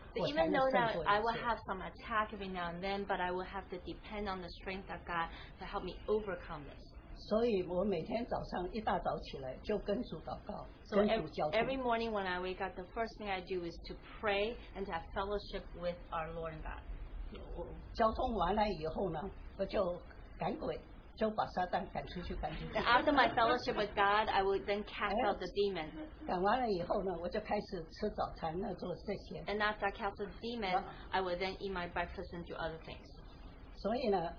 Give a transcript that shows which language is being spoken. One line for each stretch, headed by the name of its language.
English: Even though that I will have some attack every now and then, but I will have to depend on the strength of God to help me overcome this.
Chinese: 所以我每天早上一大早起来就跟主祷告，跟主交通。
English: So every morning when I wake up, the first thing I do is to pray and to have fellowship with our Lord and God.
Chinese: 交通完了以后呢，我就赶鬼。
English: After my fellowship with God, I would then cast out the demon.
Chinese: 赶完了以后呢，我就开始吃早餐，那做这些。
English: And after I cast the demon, I would then eat my breakfast and do other things.